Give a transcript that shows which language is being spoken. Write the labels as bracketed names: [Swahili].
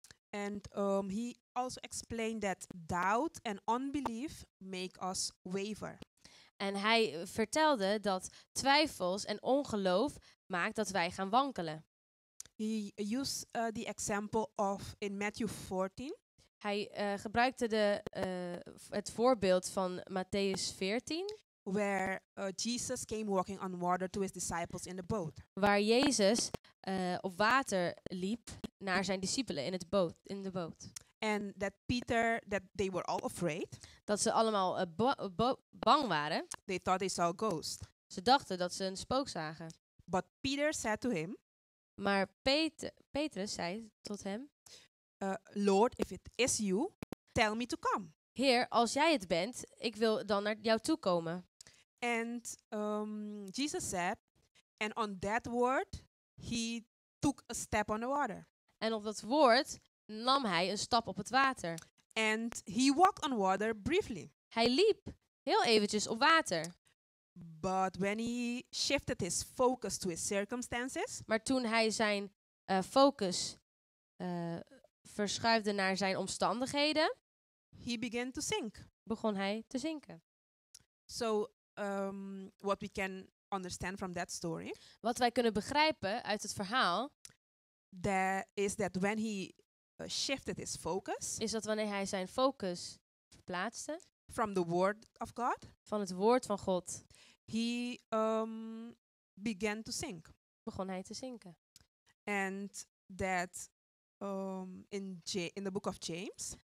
[English] And he also explained that doubt and unbelief make us waver. [Dutch] En hij vertelde dat twijfels en ongeloof maakt dat wij gaan wankelen. [English] He used the example of in Matthew 14. [Dutch] Hij gebruikte het voorbeeld van Matthäus 14. [English] Where Jesus came walking on water to his disciples in the boat. [Dutch] Waar Jezus op water liep naar zijn discipelen in de boot. [English] And that Peter, that they were all afraid. [Dutch] Dat ze allemaal bang waren. [English] They thought they saw a ghost. [Dutch] Ze dachten dat ze een spook zagen. [English] But Peter said to him. [Dutch] Maar Petrus zei tot hem. [English] Lord, if it is you, tell me to come. [Dutch] Heer, als jij het bent, ik wil dan naar jou toe komen. [English] And Jesus said, and on that word, he took a step on the water. [Dutch] En op dat woord nam hij een stap op het water. [English] And he walked on water briefly. [Dutch] Hij liep heel eventjes op water. [English] But when he shifted his focus to his circumstances. [Dutch] Maar toen hij zijn focus verschuifde naar zijn omstandigheden. [English] He began to sink. [Dutch] Begon hij te zinken. [English] So, what we can understand from that story. [Dutch] Wat wij kunnen begrijpen uit het verhaal. [English] That is that when he shifted his focus. [Dutch] Is dat wanneer hij zijn focus verplaatste. [English] From the word of God. [Dutch] Van het woord van God. [English] He began to sink. [Dutch] Begon hij te zinken. [English] And that in the book of James.